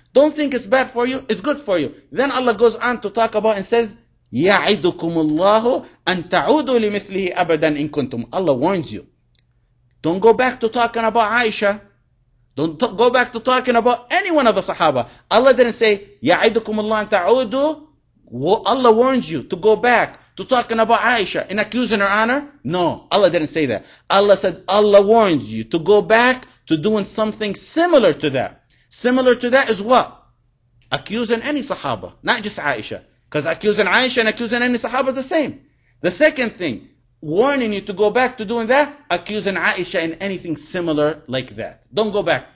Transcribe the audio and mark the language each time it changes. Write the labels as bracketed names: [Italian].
[English] Don't think it's bad for you, it's good for you. Then Allah goes on to talk about and says, [Arabic] يَعِدُكُمُ اللَّهُ أَن تَعُودُوا لِمِثْلِهِ أَبَدًا إِن كُنْتُمْ. [English] Allah warns you. Don't go back to talking about Aisha. Don't go back to talking about any one of the Sahaba. Allah didn't say, [Arabic] يَعِدُكُمْ اللَّهُ أَن تَعُودُوا. [English] Allah warns you to go back to talking about Aisha and accusing her honor. No, Allah didn't say that. Allah said, Allah warns you to go back to doing something similar to that. Similar to that is what? Accusing any Sahaba, not just Aisha. Because accusing Aisha and accusing any Sahaba is the same. The second thing, warning you to go back to doing that, accusing Aisha and anything similar like that. Don't go back.